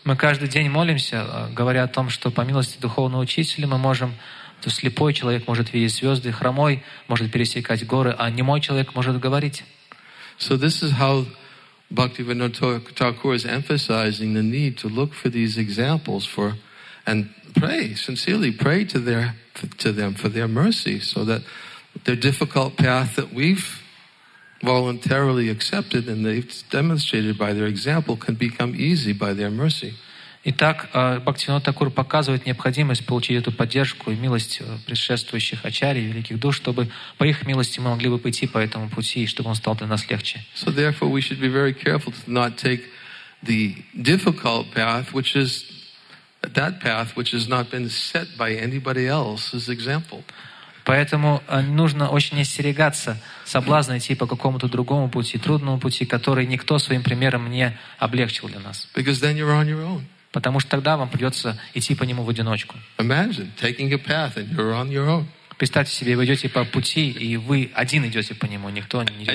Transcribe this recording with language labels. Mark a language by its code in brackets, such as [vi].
[ru] Мы каждый день молимся, говоря о том, что по милости духовного учителя мы можем, то слепой человек может видеть звезды, хромой может пересекать горы, а немой человек может говорить. [en] So this is how Bhaktivinoda Thakur is emphasizing the need to look for these examples for and pray sincerely, pray to them for their mercy, so that the difficult path that we've voluntarily accepted and they've demonstrated by their example can become easy by their mercy. [ru] Итак, Бхактивинода Такур показывает необходимость получить эту поддержку и милость предшествующих ачарий, великих душ, чтобы по их милости мы могли бы пойти по этому пути, и чтобы он стал для нас легче. [en] So therefore we should be very careful to not take the difficult path, which is that path which has not been set by anybody else as example. [ru] Поэтому нужно очень остерегаться соблазна идти по какому-то другому пути, трудному пути, который никто своим примером не облегчил для нас. [en] Because then you're on your own. [ru] Потому что тогда вам придется идти по нему в одиночку. [en] Imagine taking a path and you're on your own. [ru] Представьте себе, вы идете по пути, и вы один идете по нему, никто не идет.